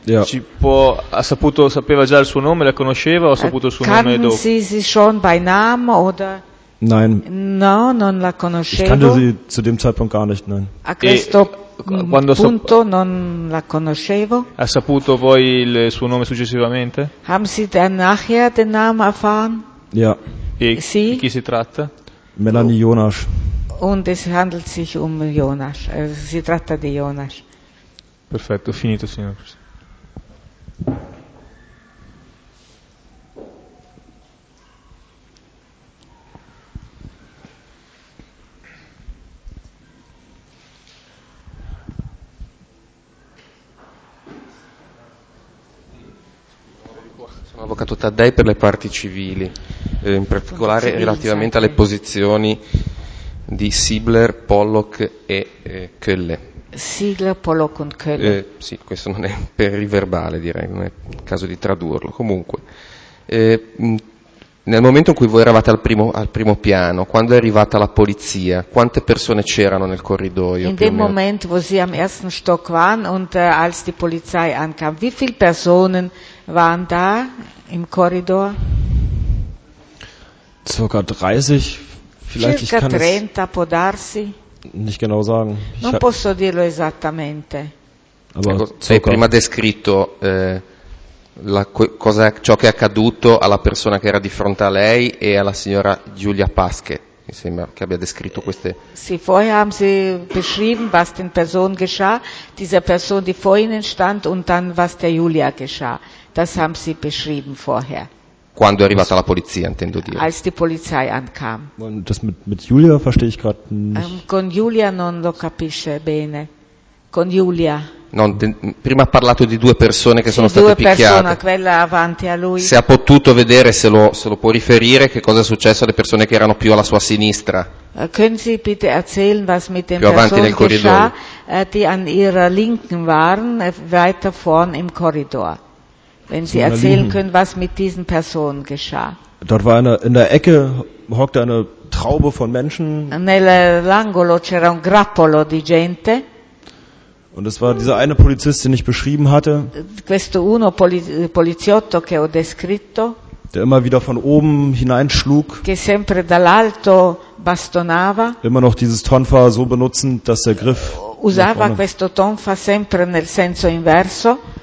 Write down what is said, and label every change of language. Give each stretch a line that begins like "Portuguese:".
German: Ja.
Italian: Ha saputo, sapeva già il suo nome, la conosceva o ha saputo il suo
German: kannten
Italian: nome dopo?
German: Sie sie schon bei Namen oder? Nein.
Italian: No, non la conoscevo.
German: Ich kannte sie zu dem Zeitpunkt gar nicht, nein.
Italian: A questo punto non la conoscevo. Ha saputo poi il suo nome successivamente?
German: Haben Sie dann nachher den Namen erfahren? Ja.
Italian: E sì? Di chi si tratta?
German: Melanie Jonas. Und es handelt sich um Jonas.
Italian: Si tratta di Jonas. Perfetto, finito, signor.
English: Thank you.
Italian: Sono l'avvocato Taddei per le parti civili, in particolare relativamente alle posizioni di Sibler, Pollock e Kölle. Sigler, Pollock e Kölle. Sì, questo non è per il verbale, direi, non è il caso di tradurlo. Comunque, nel momento in cui voi eravate al primo piano, quando è arrivata la polizia, quante persone c'erano nel corridoio?
German: In dem Moment, wo sie am ersten Stock waren und als die Polizei ankam, wie viele Personen waren da im Corridor? Circa 30, vielleicht.
Italian: Circa 30, può darsi.
German: Nicht genau sagen.
Italian: Non posso dirlo esattamente.
German: Aber
Italian: hai prima descritto ciò che è accaduto alla persona che era di fronte a lei e alla signora Giulia Pasche, mi sembra che abbia descritto queste. Sì,
German: vorher haben Sie beschrieben, was den Personen geschah, dieser Person, die vor Ihnen stand, und dann was der Julia geschah. Das haben Sie beschrieben vorher.
Italian: Quando è arrivata la polizia, intendo dire.
German: Als die Polizei ankam. Und das mit Julia verstehe ich gerade nicht.
Italian: Con Julia non lo capisce bene. Con Julia. Non, prima ha parlato di due persone che sono state picchiate. Persone, quella avanti a lui. Se ha potuto vedere, se lo può riferire, che cosa è successo alle persone che erano più alla sua sinistra.
German: Können Sie bitte erzählen, was mit den
Italian: più avanti
German: personen
Italian: nel corridoio.
German: Die an ihrer linken waren, weiter vorn im Korridor. Wenn Sie erzählen können, was mit diesen Personen geschah. Dort war in der Ecke hockte eine Traube von Menschen.
Italian: Nell'angolo c'era un grappolo di gente.
German: Und es war dieser eine Polizist, den ich beschrieben hatte.
Italian: Questo uno poliziotto che ho descritto.
German: Der immer wieder von oben hineinschlug.
Italian: Che sempre dall'alto bastonava.
German: Immer noch dieses Tonfa so benutzend, dass der Griff.
Italian: Usava questo tonfa sempre nel senso inverso.